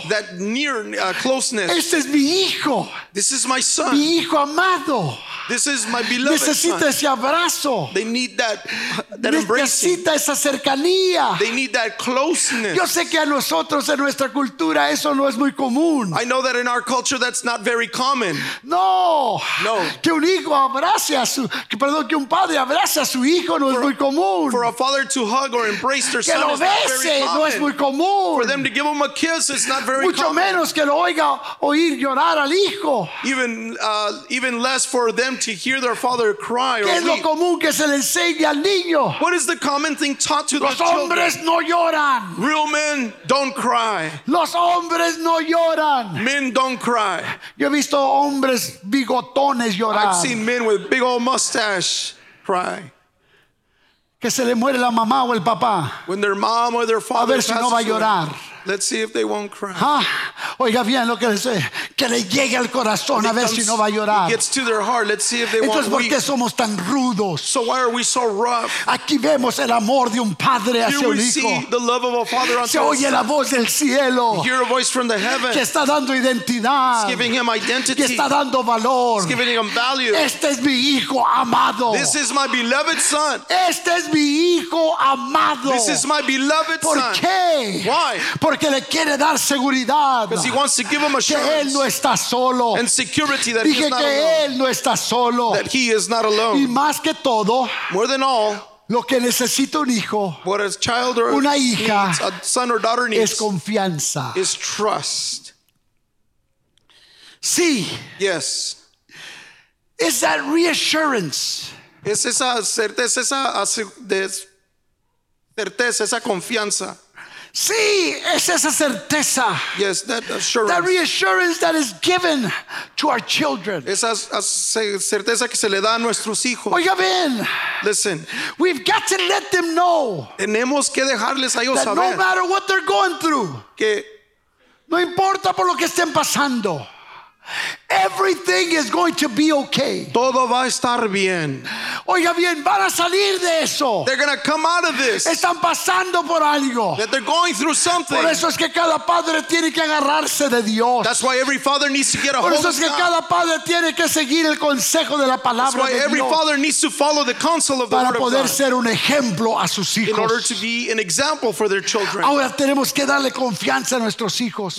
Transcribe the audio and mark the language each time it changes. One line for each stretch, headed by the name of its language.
English: Caring, that near closeness.
Spanish: Este es mi hijo.
English: This is my son.
Spanish: Mi hijo amado.
English: This is my beloved
Spanish: necesita
English: son.
Spanish: Ese abrazo.
English: They need that embrace.
Spanish: Necesita esa cercanía.
English: They need that closeness.
Spanish: Yo sé que a nosotros en nuestra cultura eso no es muy común.
English: I know that in our culture that's not very common.
Spanish: No.
English: No.
Spanish: Que un hijo abrace a su que perdón que un padre abrace a su hijo no es muy común.
English: For a father to hug or embrace their son is very common.
Spanish: No es muy común.
English: For them to give him a kiss is not very
Spanish: mucho
English: common.
Spanish: Mucho menos que lo oiga oír llorar al hijo.
English: Even less for them them to hear their father cry or
Spanish: ¿Qué es lo común que se le enseña al niño?
English: What is the common thing taught to
Spanish: Los
English: the
Spanish: hombres
English: children?
Spanish: No lloran.
English: Real men don't cry.
Spanish: Los hombres no lloran.
English: Men don't cry.
Spanish: Yo he visto hombres bigotones llorar.
English: I've seen men with big old mustache cry.
Spanish: Que se le muere la mamá o el papá.
English: When their mom or their father
Spanish: a ver si no va a llorar.
English: Let's see if they won't cry.
Spanish: Huh? Oiga bien lo que les dice. Que le llegue al corazón a ver si no va a llorar.
English: Gets to their heart. Let's see if they
Spanish: Entonces, ¿por qué somos tan rudos?
English: So why are we so rough?
Spanish: Aquí vemos el amor de un padre hacia un hijo.
English: Here we see the love of a father
Spanish: Se oye la voz del cielo.
English: Hear a voice from the heaven.
Spanish: Que está dando identidad.
English: It's giving him identity.
Spanish: Que está dando valor.
English: It's giving him value.
Spanish: Este es mi hijo amado.
English: This is my beloved son.
Spanish: Este es mi hijo amado.
English: This is my beloved
Spanish: ¿Por
English: son.
Spanish: ¿Por qué?
English: Why?
Spanish: Porque le quiere dar seguridad.
English: Because he wants to give him assurance.
Spanish: Que él no está solo.
English: And security that
Spanish: Dije
English: he is not
Spanish: que
English: alone.
Spanish: Él no está solo.
English: That he is not alone.
Spanish: Y más que todo,
English: More than all,
Spanish: lo que necesita un hijo,
English: what a child or
Spanish: una hija,
English: needs, a son or daughter needs,
Spanish: es confianza.
English: Is trust.
Spanish: Sí.
English: Yes. Is that reassurance?
Spanish: Es esa certeza, esa confianza. Sí, es esa certeza.
English: Yes, that assurance. That reassurance that is given to our children.
Spanish: Esa certeza que se le da a nuestros hijos. Oiga bien.
English: Listen. We've got to let them know.
Spanish: Tenemos que dejarles a ellos saber.
English: No matter what they're going through.
Spanish: Que no importa por lo que estén pasando.
English: Everything is going to be okay.
Spanish: Todo va a estar bien. Oiga bien, van a salir de eso.
English: They're going to come out of this.
Spanish: Están pasando por algo.
English: That they're going through something.
Spanish: Por eso es que cada padre tiene que agarrarse de Dios.
English: That's why every father needs to get a hold of God.
Spanish: Por eso es que cada padre tiene que seguir el consejo de la palabra de Dios.
English: That's why every father needs to follow the counsel of the
Spanish: Para poder ser un ejemplo a sus hijos.
English: In order to be an example for their children.
Spanish: Ahora tenemos que darle confianza a nuestros hijos.